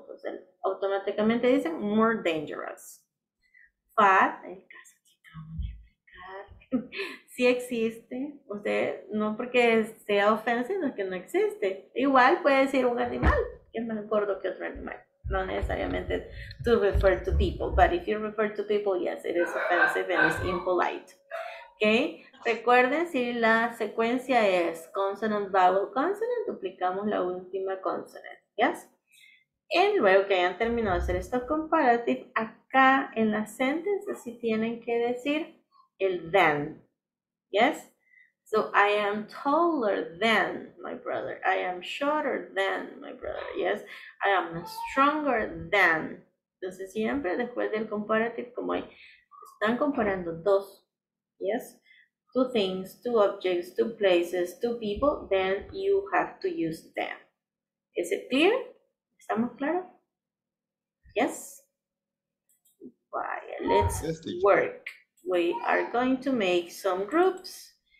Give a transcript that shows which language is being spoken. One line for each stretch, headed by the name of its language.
Spanish: Entonces, automáticamente dicen more dangerous. Fat, en el caso que acabamos de explicar, sí existe. Usted, no porque sea ofensivo, sino que no existe. Igual puede decir un animal, que es más gordo que otro animal. No necesariamente
English: to refer to people, but if you refer to people, yes, it is offensive and it's impolite.
Spanish: Okay? Recuerden, si la secuencia es consonant, vowel, consonant, duplicamos la última consonant. Yes? Y luego que hayan terminado de hacer estos comparativos, acá en la sentence, así tienen que decir el then. Yes?
English: So, I am taller than my brother. I am shorter than my brother. Yes. I am stronger than.
Spanish: Entonces, siempre después del comparative, como hay, están comparando dos.
English: Yes. Two things, two objects, two places, two people, then you have to use them. Is it clear?
Spanish: ¿Estamos claros?
English: Yes. Well, let's work. We are going to make some groups.